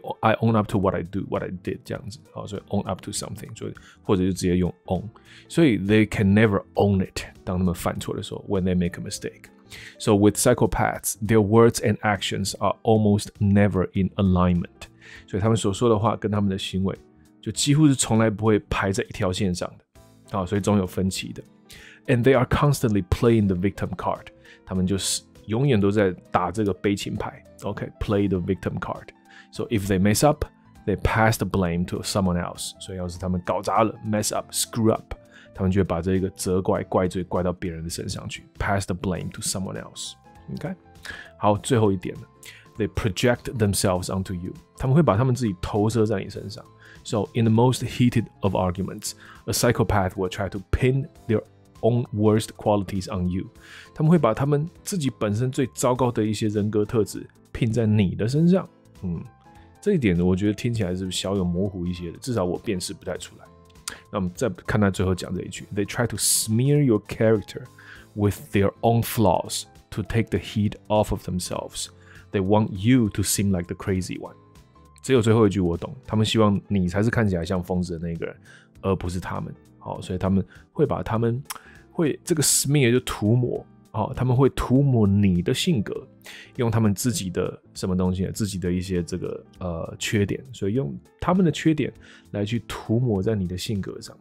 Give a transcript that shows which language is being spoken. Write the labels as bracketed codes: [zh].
[en] I own up to what I do, what I did [zh] 这样子，好，所以 [en] own up to something， [zh] 所以或者就直接用 [en] own。 [zh] 所以 [en] they can never own it， [zh] 当他们犯错的时候 [en] ，when they make a mistake。 So with psychopaths, their words and actions are almost never in alignment。 [zh] 所以他们所说的话跟他们的行为，就几乎是从来不会排在一条线上的。好，所以总有分歧的。 [en] And they are constantly playing the victim card. [zh] 他们就是永远都在打这个悲情牌。 [en] OK, play the victim card. So if they mess up, they pass the blame to someone else. [zh] 所以要是他们搞砸了 , [en] mess up, screw up, [zh] 他们就会把这个责怪、怪罪怪到别人的身上去。 [en] Pass the blame to someone else. OK? [zh] 好，最后一点了。 [en] They project themselves onto you. [zh] 他们会把他们自己投射在你身上。 [en] So in the most heated of arguments, a psychopath will try to pin their own worst qualities on you. [zh] 他们会把他们自己本身最糟糕的一些人格特质拼在你的身上。这一点我觉得听起来是小有模糊一些的，至少我辨识不太出来。那我们再看他最后讲这一句 [en] ，They try to smear your character with their own flaws to take the heat off of themselves. They want you to seem like the crazy one. [zh] 只有最后一句我懂，他们希望你才是看起来像疯子的那个人，而不是他们。好，所以他们会把他们会这个 smear 就涂抹，好，他们会涂抹你的性格，用他们自己的什么东西，自己的一些这个缺点，所以用他们的缺点来去涂抹在你的性格上。